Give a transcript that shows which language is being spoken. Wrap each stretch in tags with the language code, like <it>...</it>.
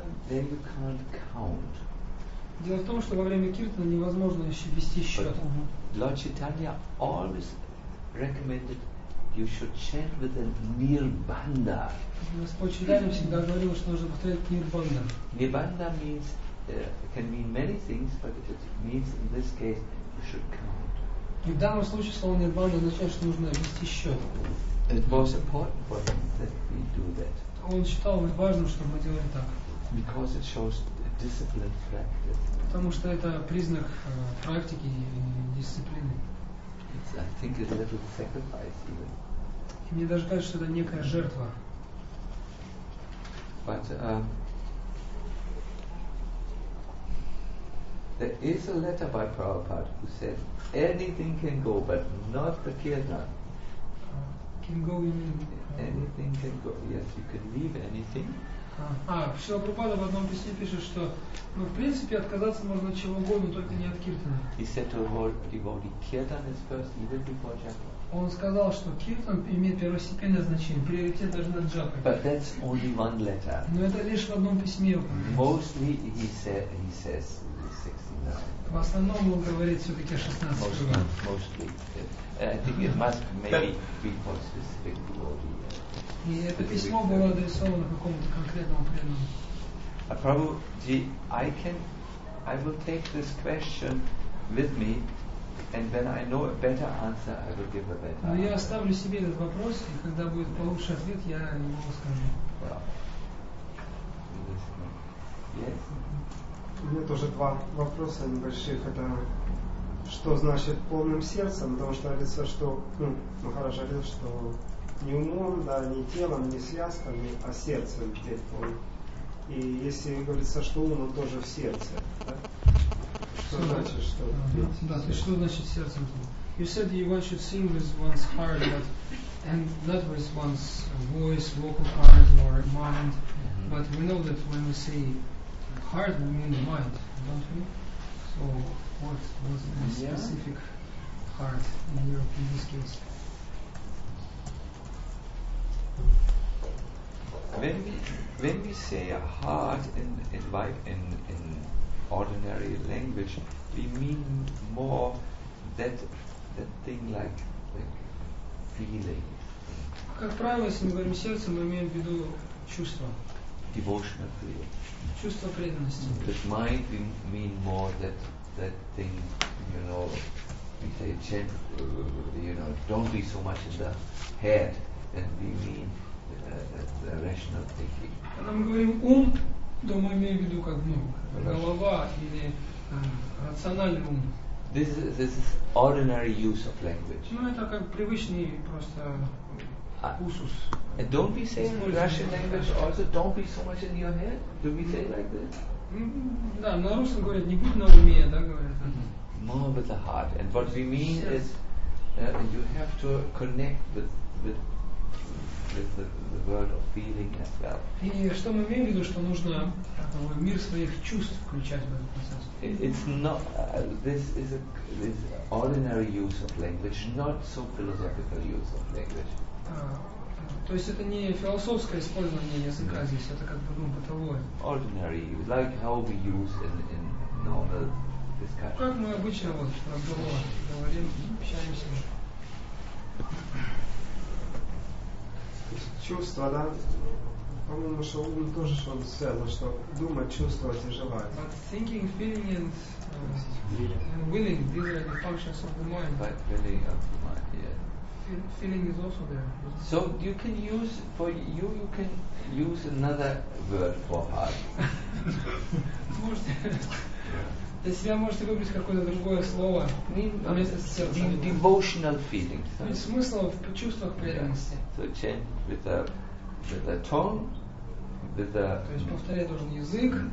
<ru>Дело в том, что во время киртана невозможно еще вести счет.</ru> <en>Lord Chaitanya always recommended you should chant with a nirbandha.</en> <ru>Господь Чайтанья всегда говорил, что нужно повторять нирбандха.</ru> <en>Nirbandha means can mean many things, but it means in this case you should count.</en> <ru>И в данном случае слово нирбандха означает, что нужно вести счет.</ru> <en>It was important for him that we do that.</en> <ru>Он считал важным, чтобы мы делали так.</ru> <en>Because it shows discipline practice.</en> <ru>Потому что это признак практики и дисциплины.</ru> <en>I think it's a little sacrifice even.</en> <ru>И мне даже кажется, что это некая жертва.</ru> <en>But there is a letter by Prabhupada who said anything can go, but not the kirtan. Can go in. Anything can go. Yes, you can leave anything.</en> <ru>Шрила Прабхупада в одном письме пишет, что ну, в принципе отказаться можно чего угодно, только не от киртана.</ru> <en>He said to devotee, kirtan is first, even before japa.</en> <ru>Он сказал, что киртан имеет первостепенное значение, приоритет даже над джапой.</ru> <en>But that's only one letter.</en> <ru>Но это лишь в одном письме.</ru> <en>Mostly he says 69.</en> <ru>В основном он говорит все-таки 16.</ru> <en>Mostly. I think it must maybe be for specific devotee.</en> <ru>И это письмо было адресовано какому-то конкретному преданному.</ru> <en>А Прабхуджи, I will take this question with me, and when I know a better answer, I will give a better answer.</en> <ru>Но я оставлю себе этот вопрос, и когда будет получше ответ, я его скажу.</ru> <en>Yes. Yes.</en> <ru>У меня тоже два вопроса небольших. Это что значит полным сердцем? Потому что говорится, что Махараш говорил, что не умом, да, не телом, не связками, а сердцем где-то. И если говорится, что ум, он тоже в сердце, да? Что значит, что? Да, то есть что значит сердцем?</ru> <en>You said you want to sing with one's heart, but and not with one's voice, vocal cords or mind. But we know that when we say heart, we mean mind, don't we? So what was the specific heart in Europe in this case? When we say a heart in ordinary language, we mean more that thing like feeling.</en> <ru>Как правило, если мы говорим сердце, мы имеем в виду чувство.</ru> <en>Devotional feeling.</en> <ru>Чувство преданности.</ru> <en>But mind we mean more that thing, you know, we say chant, you know, don't be so much in the head, and we mean the rational thinking.</en> <ru>Когда мы говорим ум, то мы имеем в виду как голова или рациональный ум.</ru> <en>This is ordinary use of language.</en> <ru>Ну это как привычный просто усус.</ru> <en>And don't we say in Russian language also, don't be so much in your head? Do we say like this?</en> <ru>Да, на русском говорят, не будь на уме, да, говорят.</ru> <en>More with the heart. And what we mean is you have to connect with the world of feeling as well.</en> <ru>И что мы имеем в виду, что нужно мир своих чувств включать в этот процесс?</ru> <en>It's not. This is ordinary use of language, not so philosophical use of language.</en> <ru>То есть это не философское использование языка здесь, это как бы бытовое.</ru> <en>Ordinary, like how we use in normal discussion.</en> <ru>Как мы обычно вот про бытовое говорим, общаемся. Чувства, да? По-моему, что ум тоже что-то связано, что думать, чувствовать и желать.</ru> <en>But thinking, feeling and willing, these are the functions of the mind. But feeling of the mind, yeah. feeling is also there. So you can use for you, you can use another word for heart.</en> <ru>Для себя можете выбрать какое-то другое слово вместо сердца.</ru> <en>Devotional feeling.</en> <ru>Смысл в чувствах преданности.</ru> <en>So chant with a tongue, with a.</en> <ru>То есть повторять должен язык.</ru>